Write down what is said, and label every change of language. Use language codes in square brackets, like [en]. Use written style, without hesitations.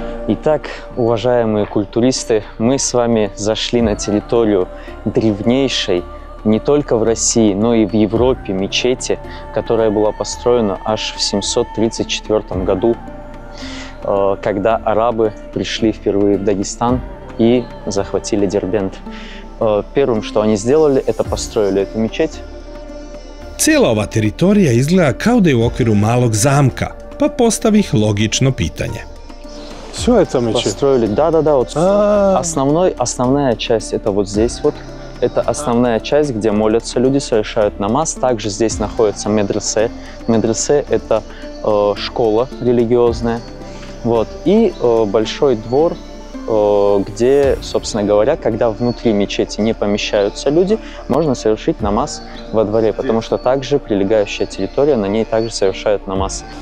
[ru] Итак, уважаемые культуристы, мы с вами зашли на территорию древнейшей не только в России, но и в Европе мечети, которая была построена аж в 734 году, когда арабы пришли впервые в Дагестан и захватили Дербент. Первым, что они сделали, это построили эту мечеть. [sr] Цела ова территория изгледа као да је у оквиру малог замка, па поставих логично питање. [ru] Все это мечеть? Построили, да-да-да. Вот основная часть, это вот здесь вот. Это основная часть, где молятся люди, совершают намаз. Также здесь находится медресе. Медресе – это школа религиозная. Вот. И большой двор, где, собственно говоря, когда внутри мечети не помещаются люди, можно совершить намаз во дворе, потому что также прилегающая территория, на ней также совершают намаз.